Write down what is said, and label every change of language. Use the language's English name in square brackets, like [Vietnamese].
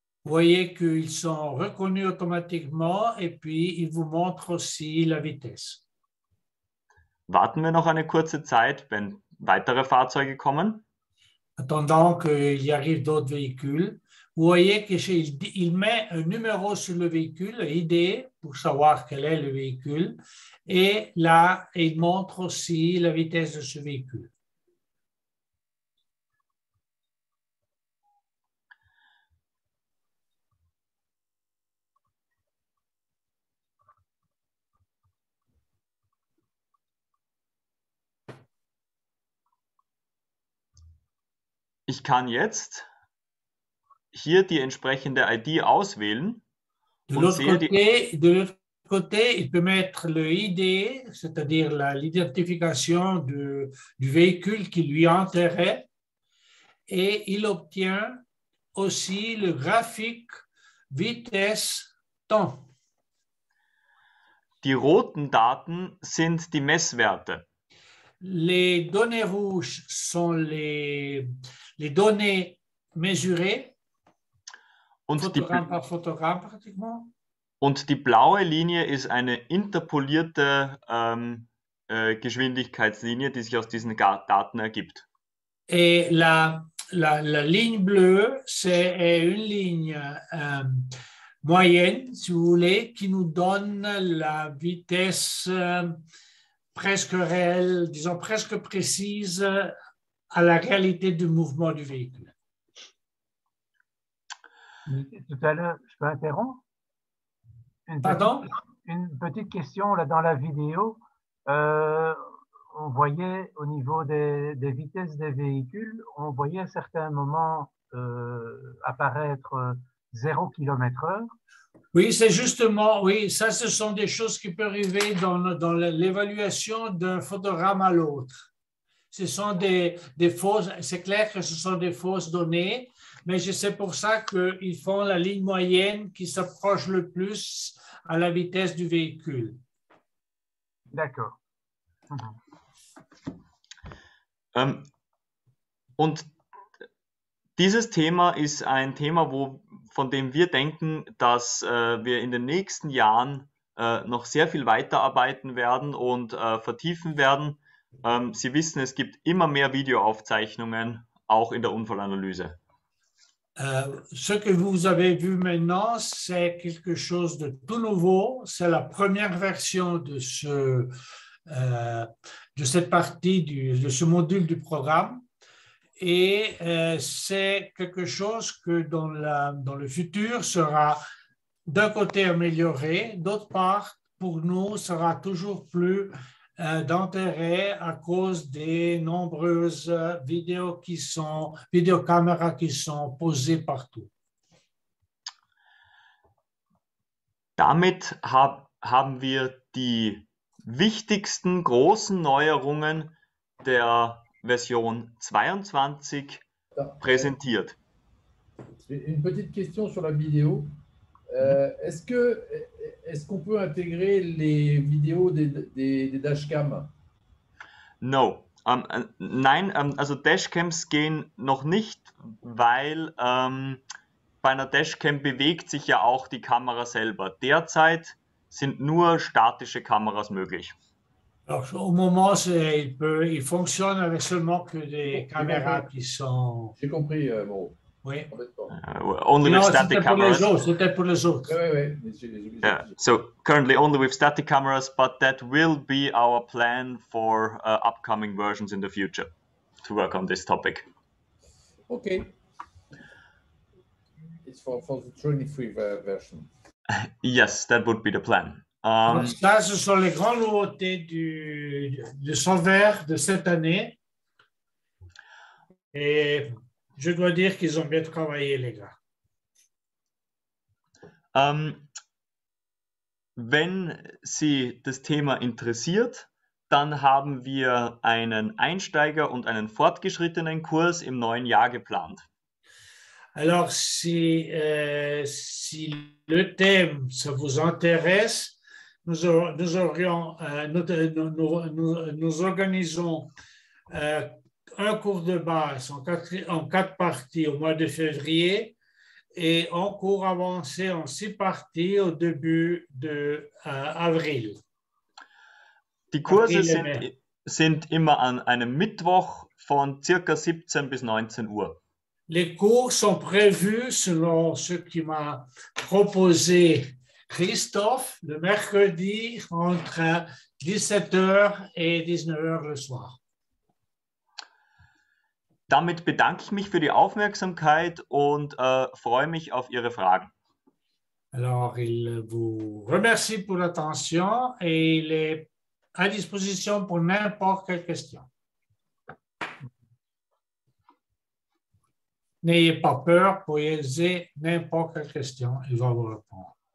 [French] Vous voyez qu'ils sont reconnus automatiquement et puis ils vous montrent aussi la vitesse. [German] Warten wir noch eine kurze Zeit, wenn weitere Fahrzeuge kommen. [French] Attendant qu'il arrive d'autres véhicules, vous voyez qu'il met un numéro sur le véhicule, ID, pour savoir quel est le véhicule, et là, il montre aussi la vitesse de ce véhicule. [German] Ich kann jetzt hier die entsprechende ID auswählen und sehe die. [French] De l'autre côté, il peut mettre le ID, c'est-à-dire l'identification du véhicule qui lui intéresse, et il obtient aussi le graphique vitesse-temps. [German] Die roten Daten sind die Messwerte. [French] Les données rouges sont les données mesurées. [German] Und [French] Photogramme par Photogramme, pratiquement. [German] die blaue Linie ist eine interpolierte Geschwindigkeitslinie, die sich aus diesen Daten ergibt. [French] Et la ligne bleue, c'est une ligne moyenne, si vous voulez, qui nous donne la vitesse presque réelle, disons presque précise à la réalité du mouvement du véhicule. Tout à l'heure, je peux interrompre? Pardon? Une petite question là dans la vidéo. On voyait au niveau des vitesses des véhicules, on voyait à certains moments apparaître 0 km/h. Oui, c'est justement, oui, ça, ce sont des choses qui peuvent arriver dans l'évaluation d'un photogramme à l'autre. Ce sont des fausses, c'est clair que ce sont des fausses données, mais c'est pour ça qu'ils font la ligne moyenne qui s'approche le plus à la vitesse du véhicule. D'accord. [German] Und dieses Thema ist ein Thema, von dem wir denken, dass wir in den nächsten Jahren noch sehr viel weiterarbeiten werden und vertiefen werden. Sie wissen, es gibt immer mehr Videoaufzeichnungen, auch in der Unfallanalyse. [French] Ce que vous avez vu maintenant, c'est quelque chose de tout nouveau. C'est la première version de cette partie de ce module du programme. Et c'est quelque chose que dans le futur sera d'un côté amélioré, d'autre part, pour nous, sera toujours plus d'intérêt à cause des nombreuses vidéocaméras qui sont posées partout. [German] Damit haben wir die wichtigsten großen Neuerungen der Version 22 präsentiert. [French] Une petite question sur la vidéo. Est-ce qu'on peut intégrer les vidéos des Dashcams? [English] No. [German] Nein, also Dashcams gehen noch nicht, weil bei einer Dashcam bewegt sich ja auch die Kamera selber. Derzeit sind nur statische Kameras möglich. [French] Alors, au moment, il fonctionne avec seulement que des caméras qui sont... J'ai compris, bon. Oui. [English] Only with static cameras. [French] C'était pour les autres. [English] So currently only with static cameras, but that will be our plan for upcoming versions in the future to work on this topic. Okay. It's for the 23 version. Yes, that would be the plan. [French] Ça, ce sont les grandes nouveautés du son vert de cette année. Et je dois dire qu'ils ont bien travaillé, les gars. [German] Wenn Sie das Thema interessiert, dann haben wir einen Einsteiger- und einen fortgeschrittenen Kurs im neuen Jahr geplant. [French] Alors, si le thème ça vous intéresse, Nous organisons un cours de base en quatre parties au mois de février et un cours avancé en six parties au début de avril. [German] Die Kurse sind immer an einem Mittwoch von circa 17 bis 19 Uhr. [French] Les cours sont prévus selon ce qui m'a proposé Christophe, le mercredi entre 17h et 19h le soir. [German] Damit bedanke ich mich für die Aufmerksamkeit und freue mich auf Ihre Fragen. [French] Alors, il vous remercie pour l'attention et il est à disposition pour n'importe quelle question. N'ayez pas peur, posez n'importe quelle question, il va vous répondre.